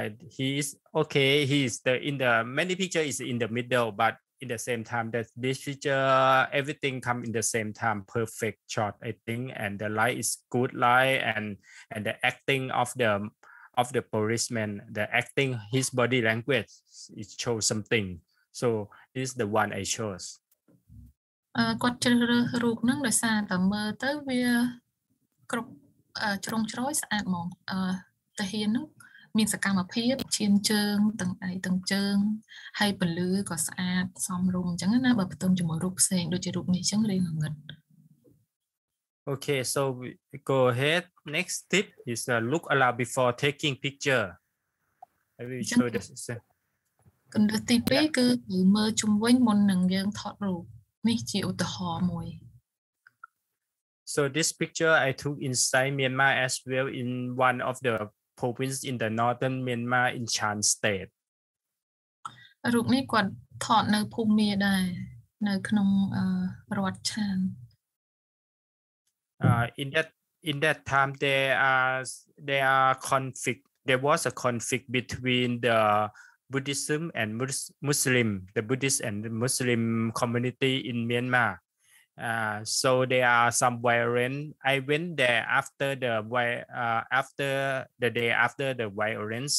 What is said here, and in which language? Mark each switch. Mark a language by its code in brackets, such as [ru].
[en] he is okay, he is the in the many picture is in the middle, but in the same time that this picture everything come in the same time, perfect shot I think, and the light is good light and the acting of the policeman, the acting, his body language, it shows something, so this is the one I chose. [km] គាត់ជ្រើសរើសរូបហ្នឹងដោយសារតែមើលទៅវាគ្រប់ជ្រុងជ្រោយស្អាតហ្មងតាហ៊ានហ្នឹងមានសកម្មភាពឈាមជើងទាំងអីទាំងជើងហើយពលឺក៏ស្អាតសមរម្យអញ្ចឹងណាបើផ្ទុំជាមួយរូបផ្សេងដូចជារូបនេះអញ្ចឹងរៀងងឹត [en] អូខេ so we go ahead next tip is look aloud before taking picture I will show this [km] គន្លឹះទី2គឺមើលជុំវិញមុននឹងយើងថតរូបនេះជាឧទាហរណ៍មួយ [en] So this picture I took inside Myanmar as well in one of the province in the northern Myanmar in Chan state [km] រូបនេះគាត់ថតនៅភូមិមាដែរនៅក្នុងរដ្ឋឆាន [en] in that time there are conflict, there was a conflict between the Buddhism and Muslim, the Buddhist and the Muslim community in Myanmar. So there are some violence. I went there after the violence.